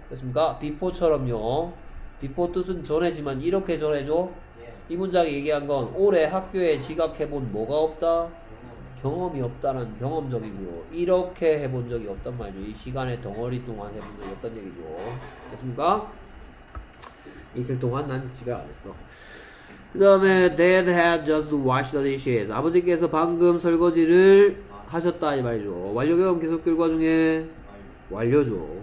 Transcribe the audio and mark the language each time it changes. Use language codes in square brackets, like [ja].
[ko] 됐습니까? before처럼요. before 뜻은 전해지만 이렇게 전해줘. 예. 이 문장이 얘기한 건 올해 학교에 지각해본 뭐가 없다? 경험이 없다는 경험적이고 이렇게 해본 적이 없단 말이죠. 이 시간의 덩어리 동안 해본 적이 없단 얘기죠. 됐습니까? 이틀 동안 난 지각 안 했어. 그 다음에 [en] Dad had just washed the dishes. [ko] 아버지께서 방금 설거지를 하셨다 이 말이죠. 완료경험 계속 결과 중에 완료죠.